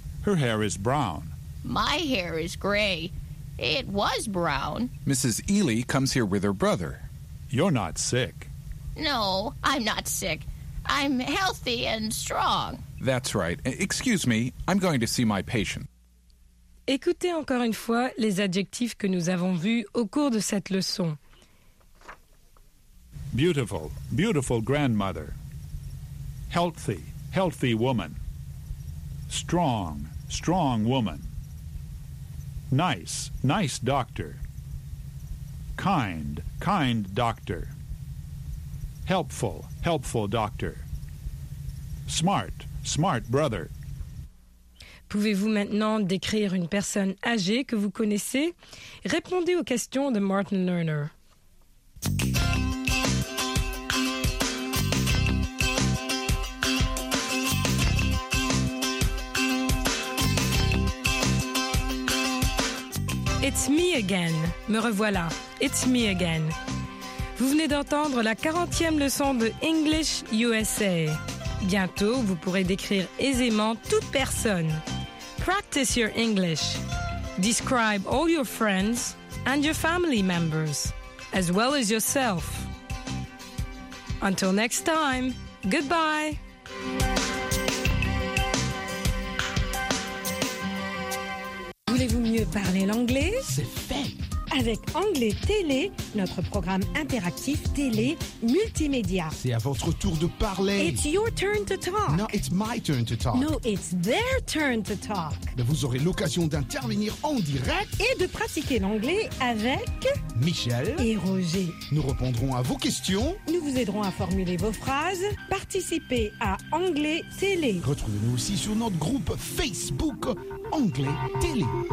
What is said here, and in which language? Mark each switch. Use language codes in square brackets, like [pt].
[en] Her hair is brown. My hair is gray. It was brown. Mrs. Ely comes here with her brother. You're not sick. No, I'm not sick. I'm healthy and strong. That's right. Excuse me, I'm going to see my patient. [fr] Écoutez encore une fois les adjectifs que nous avons vus au cours de cette leçon. [en] Beautiful, beautiful grandmother. Healthy, healthy woman. Strong, strong woman. Nice, nice doctor. Kind, kind doctor. Helpful, helpful doctor. Smart, smart brother. [fr] Pouvez-vous maintenant décrire une personne âgée que vous connaissez? Répondez aux questions de Martin Lerner. [en] It's me again. [fr] Me revoilà. [en] It's me again. [fr] Vous venez d'entendre la 40e leçon de English USA. Bientôt, vous pourrez décrire aisément toute personne. [en] Practice your English. Describe all your friends and your family members, as well as yourself. Until next time, goodbye. [fr] Voulez-vous mieux parler l'anglais? C'est fait! Avec Anglais Télé, notre programme interactif télé multimédia. C'est à votre tour de parler. [en] It's your turn to talk. No, it's my turn to talk. No, it's their turn to talk. [fr] Mais vous aurez l'occasion d'intervenir en direct. Et de pratiquer l'anglais avec... Michel. Et Roger. Nous répondrons à vos questions. Nous vous aiderons à formuler vos phrases. Participez à Anglais Télé. Retrouvez-nous aussi sur notre groupe Facebook Anglais Télé.